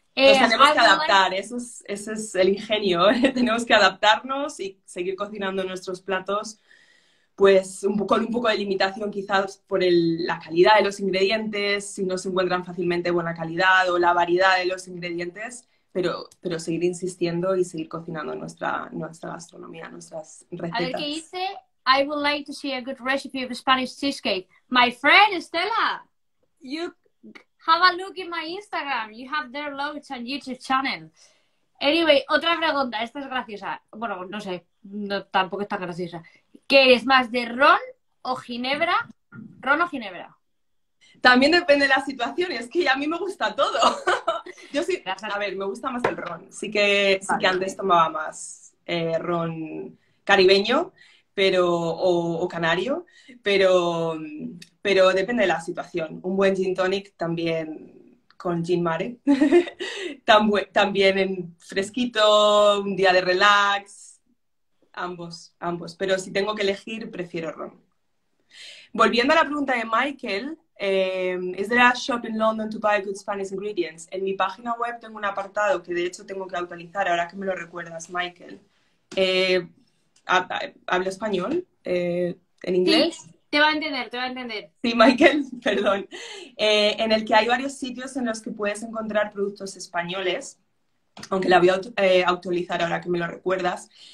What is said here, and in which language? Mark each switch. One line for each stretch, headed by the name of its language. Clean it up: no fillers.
Spanish: Nos tenemos que adaptar, ese es el ingenio. Tenemos que adaptarnos y seguir cocinando nuestros platos, pues con un poco de limitación quizás por la calidad de los ingredientes, si no se encuentran fácilmente buena calidad o la variedad de los ingredientes. Pero seguir insistiendo y seguir cocinando nuestra gastronomía, nuestras recetas. A ver, ¿qué dice?
English: I would like to see a good recipe of Spanish cheesecake. My friend, Estela, you have a look in my Instagram. You have their loads and YouTube channel.
Spanish: Anyway, otra pregunta. Esta es graciosa. Bueno, no sé. No, tampoco está graciosa. ¿Qué eres más, de ron o ginebra? ¿Ron o ginebra? También depende de la situación. Es que a mí me gusta todo. Yo sí, a ver, me gusta más el ron. Sí que antes tomaba más ron caribeño o canario, pero depende de la situación. Un buen gin tonic también con gin mare, también en fresquito, un día de relax, ambos. Pero si tengo que elegir, prefiero ron. Volviendo a la pregunta de Michael...
English: Is there a shop in London to buy good Spanish ingredients?
Spanish: En mi página web tengo un apartado que de hecho tengo que actualizar ahora que me lo recuerdas, Michael. ¿Hablo español? ¿En inglés? Sí, te va a entender. Sí, Michael, perdón. En el que hay varios sitios en los que puedes encontrar productos españoles, aunque la voy a actualizar ahora que me lo recuerdas.